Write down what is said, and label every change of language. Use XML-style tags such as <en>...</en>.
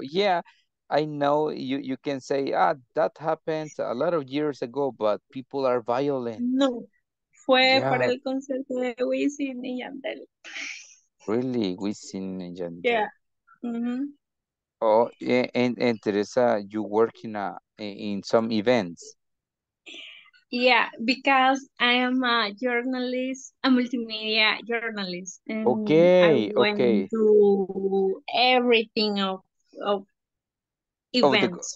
<en>Yeah, I know you can say, that happened a lot of years ago, but people are violent. No.</en> <es>Fue por el concierto de Wisin y Yandel.</es> <en>Really, Wisin y Yandel. Yeah. Mm-hmm. Oh, and Teresa, you work in some events. Yeah, because I am a journalist, a multimedia journalist. And okay, okay. To everything of events.</en>